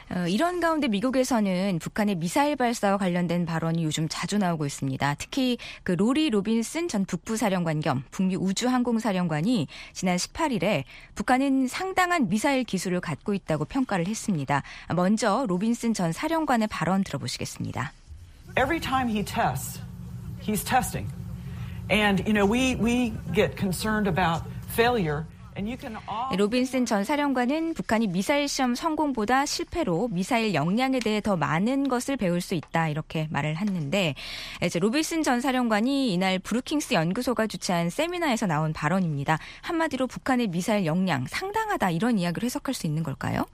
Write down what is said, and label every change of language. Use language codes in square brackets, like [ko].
[ko] 이런 가운데 미국에서는 북한의 미사일 발사와 관련된 발언이 요즘 자주 나오고 있습니다. 특히 그 로리 로빈슨 전 북부사령관 겸 북미 우주항공사령관이 지난 18일에 북한은 상당한 미사일 기술을 갖고 있다고 평가를 했습니다. 먼저 로빈슨 전 사령관의 발언 들어보시겠습니다. [en] Every time he tests, he's testing. And you know, we get concerned about failure. [ko] 로빈슨 전 사령관은 북한이 미사일 시험 성공보다 실패로 미사일 역량에 대해 더 많은 것을 배울 수 있다 이렇게 말을 했는데 이제 로빈슨 전 사령관이 이날 브루킹스 연구소가 주최한 세미나에서 나온 발언입니다. 한마디로 북한의 미사일 역량 상당하다 이런 이야기를 해석할 수 있는 걸까요?